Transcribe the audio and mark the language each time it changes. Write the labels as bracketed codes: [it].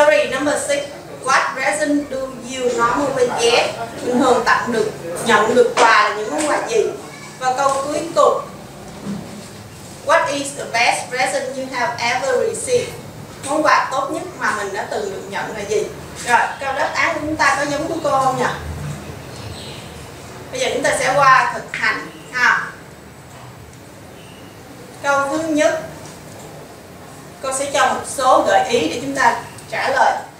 [en] Number 6. What present do you normally get? [vi] Bình thường tặng được, nhận được quà là những món quà gì? Và câu cuối cùng. [en] What is the best present you have ever received? [vi] Món quà tốt nhất mà mình đã từng được nhận là gì? Rồi, câu đáp án của chúng ta có giống của cô không nhỉ? Bây giờ chúng ta sẽ qua thực hành ha. Câu thứ nhất. Cô sẽ cho một số gợi ý để chúng ta trả lời.